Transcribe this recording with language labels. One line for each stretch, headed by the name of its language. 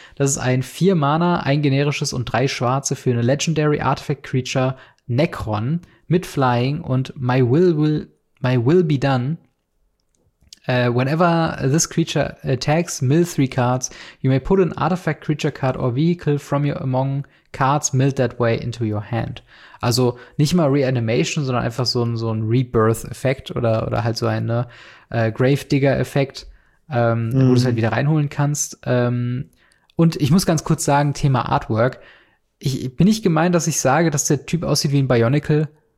German: Das ist ein 4 Mana, ein generisches und 3 schwarze für eine Legendary Artifact Creature Necron mit Flying und My Will Be Done.
English: Whenever this creature attacks, mill 3 cards. You may put an Artifact Creature Card or Vehicle from your among cards milled that way into your hand.
German: Also nicht mal Reanimation, sondern einfach so ein Rebirth-Effekt oder halt so ein Grave-Digger-Effekt. Wo du es halt wieder reinholen kannst. Und ich muss ganz kurz sagen, Thema Artwork. Ich bin nicht gemeint, dass ich sage, dass der Typ aussieht wie ein Bionicle.